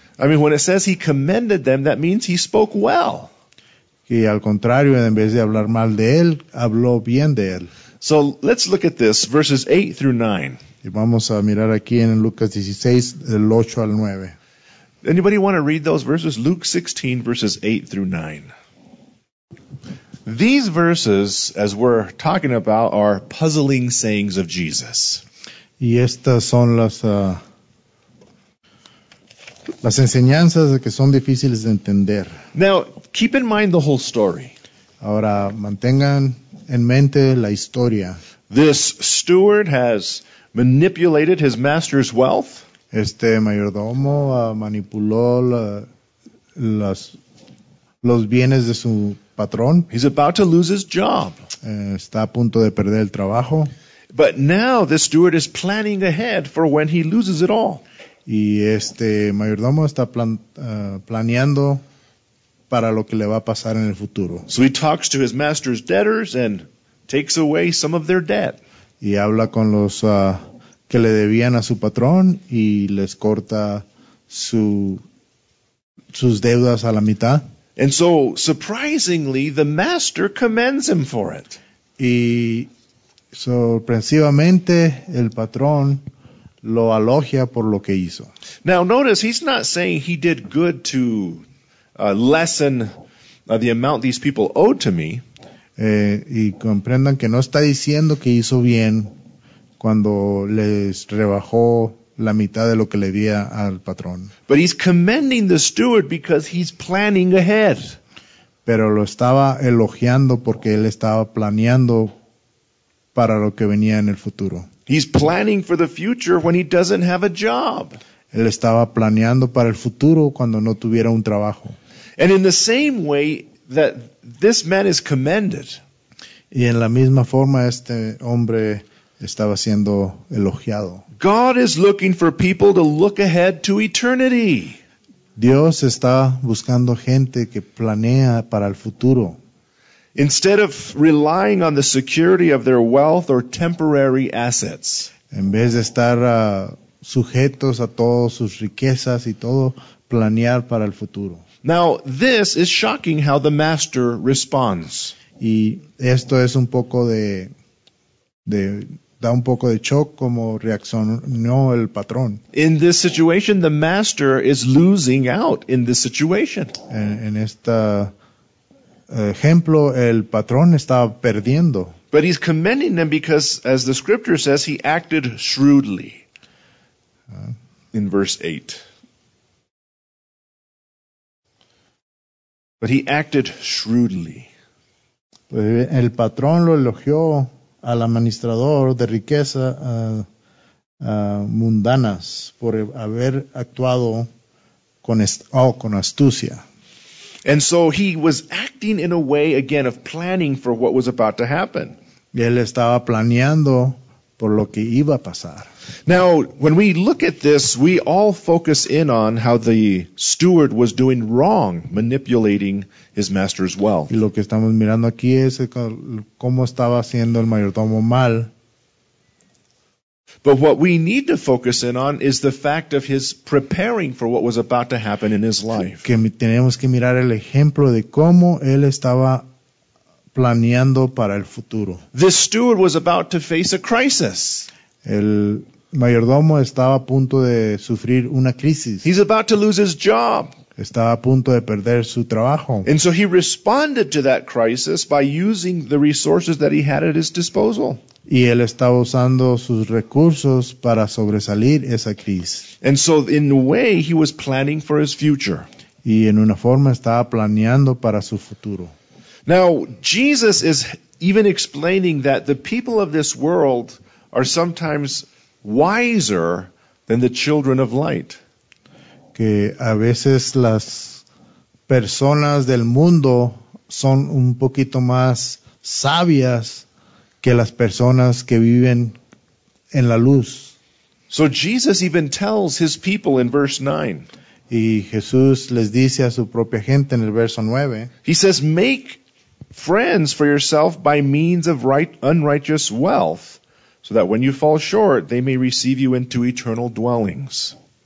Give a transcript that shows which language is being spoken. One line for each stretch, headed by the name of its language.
English: I mean, when it says he commended them, that means he spoke well.
Spanish: Y al contrario, en vez de hablar mal de él, habló bien de él.
English: So let's look at this, verses 8 through 9.
Spanish: Y vamos a mirar aquí en Lucas 16, del 8 al 9.
English: Anybody want to read those verses? Luke 16, verses 8 through 9. These verses, as we're talking about, are puzzling sayings of Jesus.
Spanish: Y estas son las enseñanzas que son difíciles de entender.
English: Now, keep in mind the whole story.
Spanish: Ahora, mantengan en mente la historia.
English: This steward has manipulated his master's wealth.
Spanish: Este mayordomo manipuló los bienes de su patrón.
English: He's about to lose his job.
Spanish: Está a punto de perder el trabajo.
English: But now this steward is planning ahead for when he loses it all.
Spanish: Y este mayordomo está planeando para lo que le va a pasar en el futuro.
English: So he talks to his master's debtors and takes away some of their debt.
Spanish: Y habla con los que le debían a su patrón y les corta sus deudas a la mitad.
English: And so, surprisingly, the master commends him for it.
Spanish: Y sorpresivamente, el patrón lo elogia por lo que hizo.
English: Now, notice, he's not saying he did good to lessen the amount these people owed to me.
Spanish: Y comprendan que no está diciendo que hizo bien cuando les rebajó la mitad de lo que le debía al patrón.
English: But he's commending the steward because he's planning ahead.
Spanish: Pero lo estaba elogiando porque él estaba planeando para lo que venía en el futuro.
English: He's planning for the future when he doesn't have a job.
Spanish: Él estaba planeando para el futuro cuando no tuviera un trabajo.
English: And in the same way that this man is commended.
Spanish: Y en la misma forma este hombre estaba siendo elogiado.
English: God is looking for people to look ahead to eternity.
Spanish: Dios está buscando gente que planea para el futuro.
English: Instead of relying on the security of their wealth or temporary assets.
Spanish: En vez de estar sujetos a todas sus riquezas y todo, planear para el futuro.
English: Now, this is shocking how the master responds.
Spanish: Y esto es un poco de da un poco de shock como reaccionó el patrón.
English: In this situation, the master is losing out in this situation.
Spanish: En esta ejemplo, el patrón está perdiendo.
English: But he's commending them because, as the scripture says, he acted shrewdly. In verse 8. But he acted shrewdly.
Spanish: El patrón lo elogió al administrador de riqueza mundanas por haber actuado con astucia.
English: And so he was acting in a way, again, of planning for what was about to happen.
Spanish: Y él estaba planeando por lo que iba a pasar.
English: Now, when we look at this, we all focus in on how the steward was doing wrong, manipulating his master's wealth.
Spanish: Y lo que estamos mirando aquí es cómo estaba haciendo el mayordomo mal.
English: But what we need to focus in on is the fact of his preparing for what was about to happen in his life.
Spanish: Que tenemos que mirar el ejemplo de cómo él estaba planeando para el futuro.
English: This steward was about to face a crisis.
Spanish: El mayordomo estaba a punto de sufrir una crisis.
English: He's about to lose his job.
Spanish: Estaba a punto de perder su trabajo.
English: And so he responded to that crisis by using the resources that he had at his disposal.
Spanish: Y él estaba usando sus recursos para sobresalir esa crisis.
English: And so in a way he was planning for his future.
Spanish: Y en una forma estaba planeando para su futuro.
English: Now, Jesus is even explaining that the people of this world are sometimes wiser than the children of light.
Spanish: Que a veces las personas del mundo son un poquito más sabias que las personas que viven en la luz.
English: So Jesus even tells his people in verse 9.
Spanish: Y Jesús les dice a su propia gente en el verso 9.
English: He says, make friends for yourself by means of unrighteous wealth, so that when you fall short, they may receive you into eternal dwellings.